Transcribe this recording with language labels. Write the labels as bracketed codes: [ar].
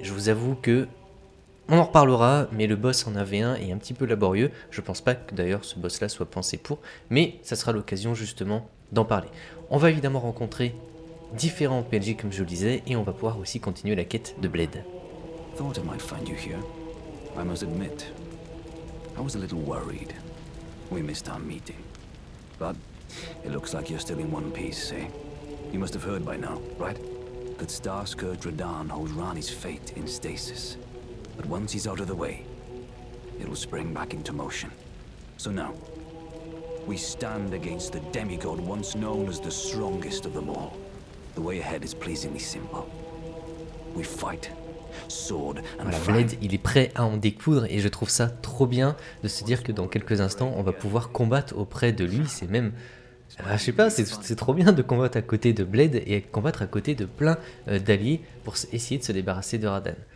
[fr] Je vous avoue que on en reparlera, mais le boss en 1v1 est un petit peu laborieux. Je pense pas que d'ailleurs ce boss-là soit pensé pour, mais ça sera l'occasion justement d'en parler. On va évidemment rencontrer différents PNJ comme je le disais, et on va pouvoir aussi continuer la quête de Blade. [en] Thought I might find you here. I must admit, I was a little worried. We missed our meeting, but it looks like you're still in one piece. Eh? You must have heard by now, right? That Star Scourge Radahn holds Rani's fate in stasis. But once he's out of the way, it'll spring back into motion. So now, we stand against the demigod once known as the strongest of them all. The way ahead is pleasingly simple. We fight. Sword and fire. [fr] Blade, il est prêt à en découdre et je trouve ça trop bien de se dire que dans quelques instants, on va pouvoir combattre auprès de lui. C'est même... Je sais pas, c'est trop bien de combattre à côté de Blade et combattre à côté de plein d'alliés pour essayer de se débarrasser de Radahn.